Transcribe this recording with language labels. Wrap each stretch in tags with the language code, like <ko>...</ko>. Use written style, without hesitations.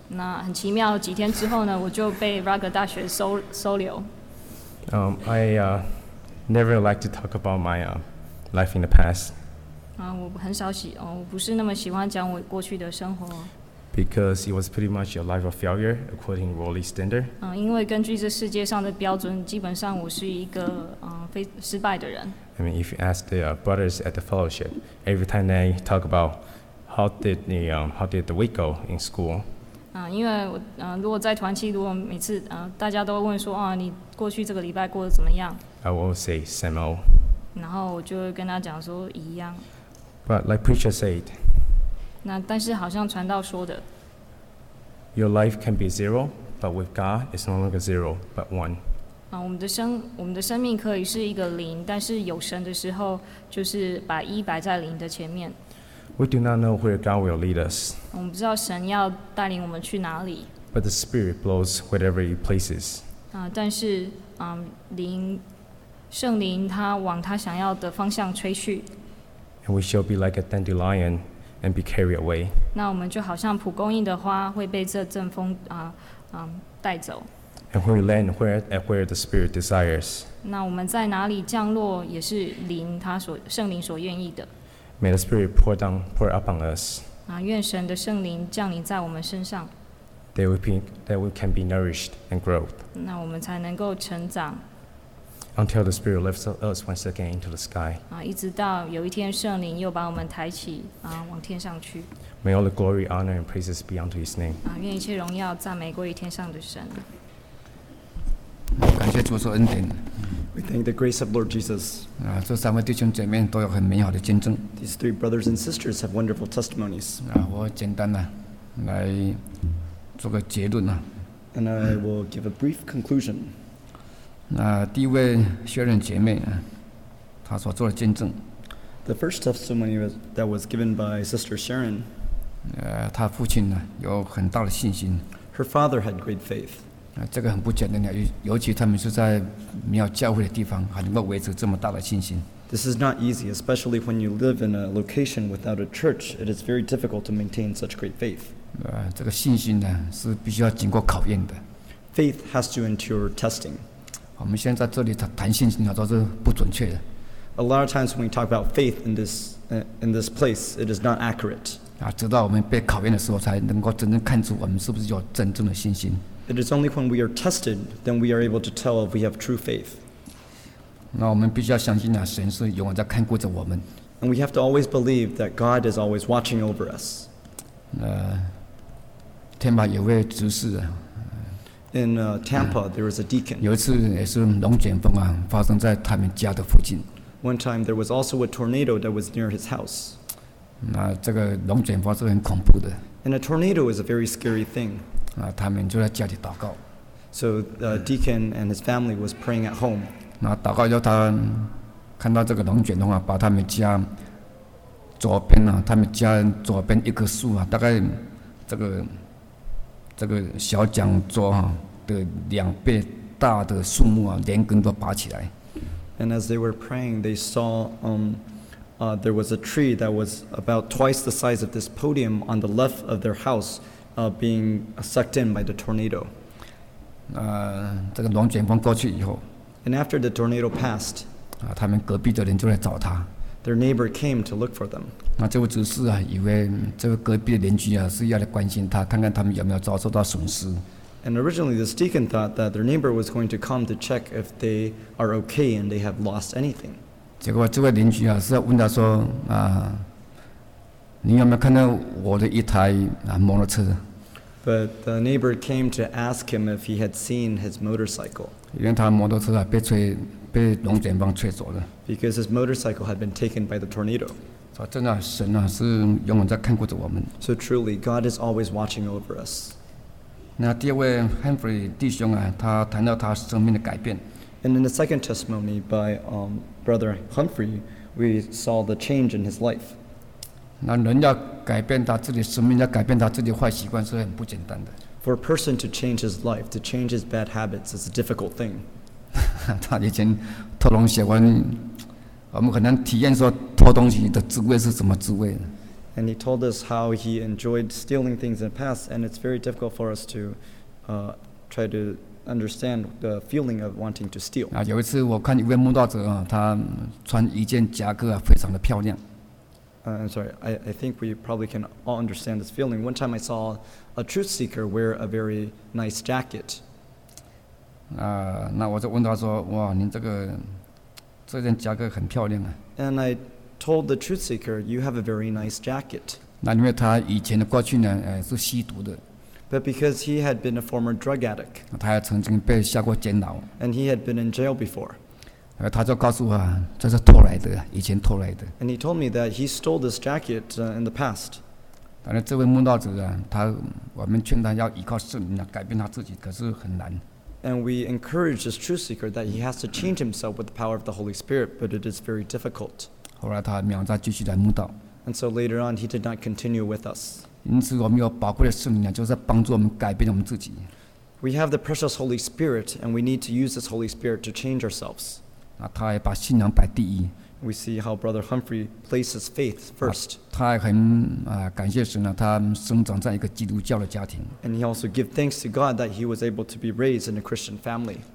<zh>那很奇妙，几天之后呢，我就被 Rutgers 大学收留。</zh> <en>I never like to talk about my life in the past.</en> <zh>我很少我不是那么喜欢讲我过去的生活。</zh> <en>Because it was pretty much a life of failure according worldly standard.</en> <zh>因为根据这世界上的标准，基本上我是一个失败的人。</zh> <en>I mean, if you ask the brothers at the fellowship, every time they talk about how did the week go in school.</en> <zh>因为我如果在团契，如果每次大家都会问说你过去这个礼拜过得怎么样</zh> <en>？I will say same old.</en> <zh>然后我就会跟他讲说一样。</zh> <en>But like preacher said,</en> <zh>那但是好像传道说的</zh> <en>，Your life can be zero, but with God, it's no longer zero, but one.</en> <zh>我们的生命可以是一个零，但是有神的时候，就是把一摆在零的前面。</zh> <en>We do not know where God will lead us.</en> <zh>我们不知道神要带领我们去哪里。</zh> <en>But the Spirit blows wherever He places.</en> <zh>但是灵，圣灵他往他想要的方向吹去。</zh> <en>And we shall be like a dandelion and be carried away.</en> <zh>那我们就好像蒲公英的花会被这阵风带走。</zh> <en>And we land where the Spirit desires.</en> <zh>那我们在哪里降落也是灵他所圣灵所愿意的。</zh> <en>May the Spirit pour up on us.</en> <zh>愿神的圣灵降临在我们身上。</zh> <en>That we can be nourished and grow.</en> <zh>那我们才能够成长。</zh> <en>until the Spirit lifts us once again into the sky.</en> <zh>一直到有一天圣灵又把我们抬起往天上去。</zh> <en>May all the glory, honor, and praises be unto His name.</en> <zh>愿一切荣耀赞美归于天上的神。感谢主所恩典。</zh> <en>We thank the grace of Lord Jesus.</en> <zh>这三位弟兄姐妹都有很美好的见证。</zh> <en>These three brothers and sisters have wonderful testimonies.</en> <zh>我简单的来做个结论。</zh> <en>And I will give a brief conclusion.</en> <zh>第一位薛仁姐妹她所做的见证。</zh> <en>The first testimony that was given by Sister Sharon.</en> <zh>她父亲呢有很大的信心。</zh> <en>Her father had great faith.</en> <zh>这个很不简单的，尤其他们是在庙教会的地方，还能够维持这么大的信心。</zh> <en>This is not easy, especially when you live in a location without a church. It is very difficult to maintain such great faith.</en> <zh>这个信心呢是必须要经过考验的。</zh> <en>Faith has to endure testing.</en> <zh>我们现在这里谈信心，都是不准确的。</zh> <en>A lot of times when we talk about faith in this place, it is not accurate.</en> <zh>直到我们被考验的时候，才能够真正看出我们是不是有真正的信心。</zh> <en>It is only when we are tested then we are able to tell if we have true faith.</en> <zh>那我们必须要相信啊，神是永远在看顾着我们。</zh> <en>And we have to always believe that God is always watching over us.</en> <zh>天马有位执事。</zh> <en>In Tampa, there was a deacon.</en> <zh>有一次也是龙卷风啊，发生在他们家的附近。</zh> <en>One time there was also a tornado that was near his house.</en> <zh>那这个龙卷风是很恐怖的。</zh> <en>And a tornado is a very scary thing.</en> <zh>他们就在家里祷告。</zh> <en>So the deacon and his family was praying at home.</en> <zh>那祷告之后，他看到这个龙卷风啊，把他们家左边啊，他们家左边一棵树啊，大概这个小讲桌啊的两倍大的树木啊，连根都拔起来。</zh> <en>And as they were praying, they saw there was a tree that was about twice the size of this podium on the left of their house. Being sucked in by the tornado.</en> <zh>这个龙卷风过去以后</zh> <en>And after the tornado passed,</en> <zh>他们隔壁的人就来找他</zh> <en>Their neighbor came to look for them.</en> <zh>那这位执事啊，以为这位隔壁的邻居啊，是要来关心他，看看他们有没有遭受到损失</zh> <en>And originally, this deacon thought that their neighbor was going to come to check if they are okay and they have lost anything.</en> <zh>结果这位邻居啊，是要问他说你有没有看到我的一台摩托车</zh> <en>？But the neighbor came to ask him if he had seen his motorcycle.</en> <zh>因为他摩托车啊被龙卷风吹走了。</zh> <en>Because his motorcycle had been taken by the tornado.</en> <zh>啊，真的，神啊是永远在看顾着我们。</zh> <en>So truly, God is always watching over us.</en> <zh>那第二位 Humphrey 弟兄啊，他谈到他生命的改变。</zh> <en>And in the second testimony by Brother Humphrey, we saw the change in his life.</en> <zh>那人要改变他自己生命，要改变他自己坏习惯是很不简单的。</zh> <en>For a person to change his life, to change his bad habits is a difficult thing.</en> <zh>他以前偷东西，我们可能体验说偷东西的滋味是什么滋味呢</zh> <en>？And he told us how he enjoyed stealing things in the past, and it's very difficult for us to try to understand the feeling of wanting to steal.</en> <zh>有一次我看一位慕道者啊，他穿一件夹克啊，非常的漂亮。</zh> <en>I'm sorry, I think we probably can all understand this feeling. One time I saw a truth seeker wear a very nice jacket.</en> <zh>那我就问他说，哇，您这件夹克很漂亮啊。</zh> <en>And I told the truth seeker, you have a very nice jacket.</en> <zh>那因为他以前的过去呢，是吸毒的。</zh> <en>But because he had been a former drug addict.</en> <zh>他还曾经被下过监牢。</zh> <en>And he had been in jail before.</en> <zh>他就告诉我，这是偷来的，以前偷来的。</zh> <en>And he told me that he stole this jacket in the past.</en> <zh>但是这位慕道者啊，我们劝他要依靠圣灵啊，改变他自己，可是很难。</zh> <en>And we encourage this truth seeker that he has to change himself with the power of the Holy Spirit, but it is very difficult.</en> <zh>后来他没有再继续来慕道。</zh> <en>And so later on, he did not continue with us.</en> <zh>因此，我们有宝贵的圣灵啊，就是帮助我们改变我们自己。</zh> <en>We have the precious Holy Spirit, and we need to use this Holy Spirit to change ourselves.</en> <zh>他也把信仰摆第一。</zh> <en>We see how Brother Humphrey places faith first.</en> <zh>他也很感谢神啊，他生长在一个基督教的家庭。</zh> <en>And he also gives thanks to God that he was able to be raised in a Christian family.</en>